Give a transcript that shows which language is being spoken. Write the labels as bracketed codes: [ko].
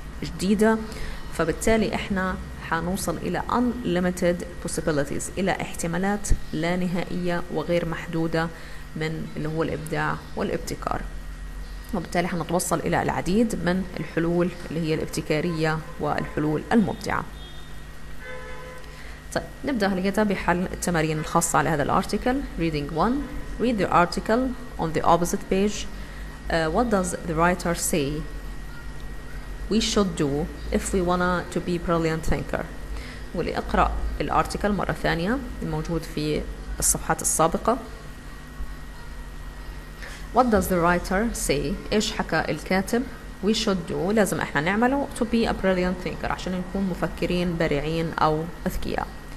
[ar] جديدة، فبالتالي احنا حنوصل الى [en] unlimited possibilities، [ar] الى احتمالات لا نهائية وغير محدودة من اللي هو الابداع والابتكار، وبالتالي حنتوصل الى العديد من الحلول اللي هي الابتكارية والحلول المبدعة. طيب نبدأ الكتاب بحل التمارين الخاصة على هذا الارتيكل. [en] reading 1. read the article on the opposite page. What does the writer say we should do if we wanna to be brilliant thinker. [ar] ولأقرأ الارتيكل مرة ثانية الموجود في الصفحات السابقة. [en] What does the writer say [ar] إيش حكى الكاتب [en] we should do [ar] لازم احنا نعمله [en] to be a brilliant thinker [ar] عشان نكون مفكرين بارعين أو أذكياء.